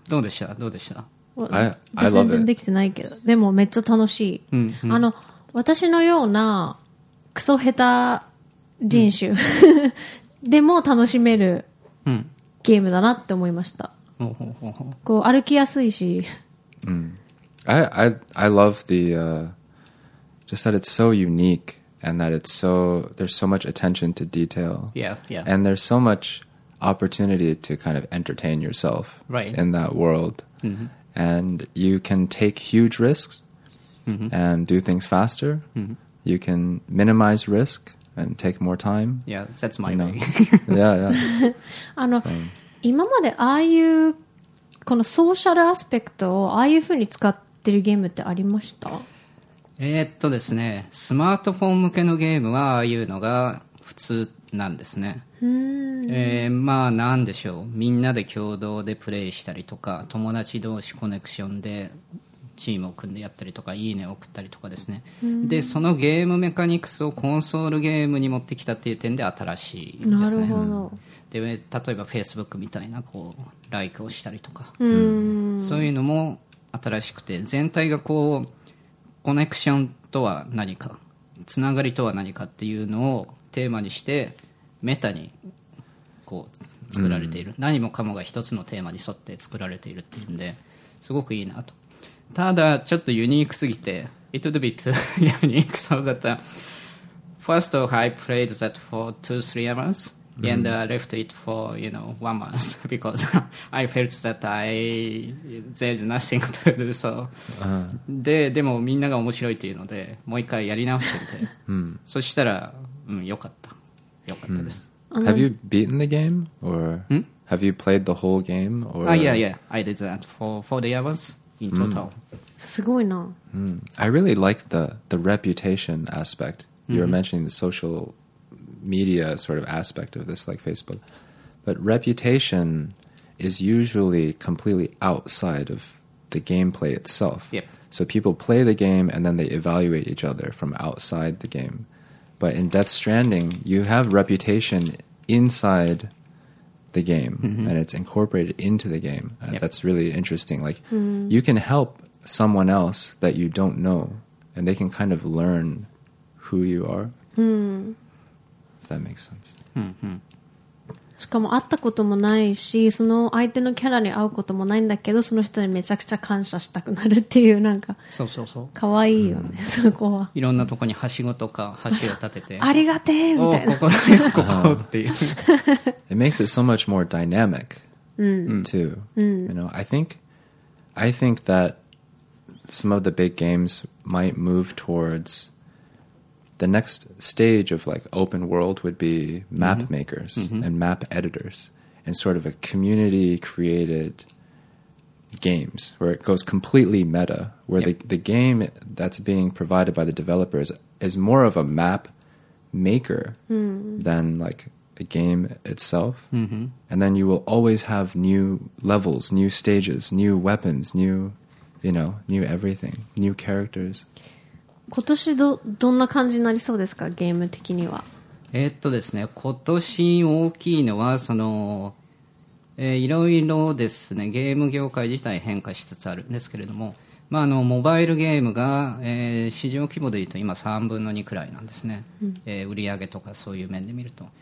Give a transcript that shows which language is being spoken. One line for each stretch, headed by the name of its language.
Japanese: どうでした、どうでした。私全然できてないけど、でもめっちゃ楽しい。私のようなクソ下手人種でも楽しめるゲームだなって思いました。こう歩きやすいし、
English: I love the just that it's so unique and that it's so there's so much attention to detail. Yeah, yeah. And there's so much opportunity to kind of entertain yourself, right. in that world. Mm-hmm. And you can take huge risks, mm-hmm. and do things faster. Mm-hmm. You can minimize risk and take more time. Yeah, that's my way. yeah, yeah.
Japanese: so,今までああいうこのソーシャルアスペクトをああいうふうに使ってるゲームってありました？ですね、スマートフォン向けのゲームはああいうのが普通なんですね。まあなんでしょう、みんなで共同でプレイしたりとか、友達同士コネクションでチームを組んでやったりとかいいねを送ったりとかですね、うん、でそのゲームメカニクスをコンソールゲームに持ってきたっていう点で新しいですね。なるほど、うん、で例えば Facebook みたいなこうライクをしたりとか、そういうのも新しくて、全体がこうコネクションとは何か、つながりとは何かっていうのをテーマにしてメタにこう作られている、うん、何もかもが一つのテーマに沿って作られているっていうんで、すごくいいなと。ただちょっとユニークすぎて、
English: It would be too unique so that first of all, I played that for 2-3 months、うん、and I left it for you know 1 month because I felt that I there's nothing to do so、
Japanese: でもみんなが面白いっていうのでもう一回やり直してみて、うん、そしたら、うん、よかったよかったです、うん。
English: Have you beaten the game or have you played the whole game? Or? Yeah, yeah. I did that for the hours in total.
Japanese: すごいな。
English: I really like the reputation aspect. You were mentioning the social media sort of aspect of this, like Facebook. But reputation is usually completely outside of the gameplay itself. Yep. So people play the game and then they evaluate each other from outside the game. But in Death Stranding, you have reputation inside the game,、mm-hmm. and it's incorporated into the game.、Yep. That's really interesting. Like,、 mm-hmm. you can help someone else that you don't know, and they can kind of learn who you are,、 mm-hmm. if that makes sense. Mm-hmm.
Japanese: しかも会ったこともないし、その相手のキャラに会うこともないんだけど、その人にめちゃくちゃ感謝したくなるっていう、なんか、そうそうそう、かわいいよね、そこは。いろんなとこにはしごとか橋を立てて、ありがてえみたいな。ここだよ、ここっていう。
English: It makes it so much more dynamic, too. You know, I think that some of the big games might move towards the next stage of like open world would be map makers and map editors and sort of a community created. Games where it goes completely meta, where the game that's being provided by the developers is more of a map maker than like a game itself. And then you will always have new levels, new stages, new weapons, new, you know, new everything, new characters.
Japanese: 今年どんな感じになりそうですか、ゲーム的には。ですね、今年大きいのはそのいろいろですね、ゲーム業界自体変化しつつあるんですけれども、まあ、あのモバイルゲームが、市場規模でいうと今3分の2くらいなんですね、売上とかそういう面で見ると。